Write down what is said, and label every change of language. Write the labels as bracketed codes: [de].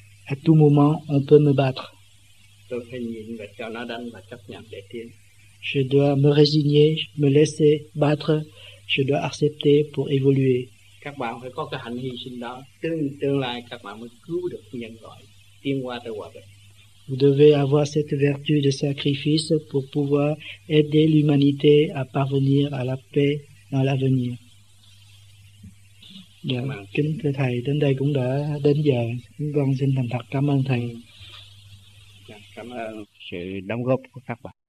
[fr] À tout moment, on peut me battre. Je dois me résigner, me laisser battre, je dois accepter pour évoluer. [vi] Các bạn phải có cái hạnh hy sinh đó, tương lai các bạn mới cứu được nhân loại tiến qua tới hòa bình. [fr] Vous devez avoir cette vertu de sacrifice pour pouvoir aider l'humanité à parvenir à la paix dans l'avenir. [vi] Dạ, kính thưa thầy, đến đây cũng đã đến giờ, con xin thành thật cảm ơn thầy. Cảm ơn sự đóng góp của các bạn.